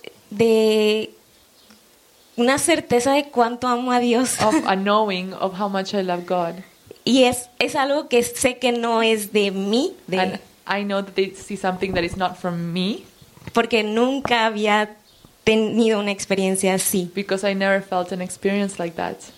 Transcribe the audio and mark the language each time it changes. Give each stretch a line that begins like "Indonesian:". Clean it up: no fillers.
Spanish: De una certeza de cuánto amo a Dios.
English: Of a knowing of how much I love God.
Spanish: Y es algo que sé que no es de mí. De,
English: and I know that it's something that is not from me.
Spanish: Porque nunca había tenido una experiencia así.
English: Because I never felt an experience like that.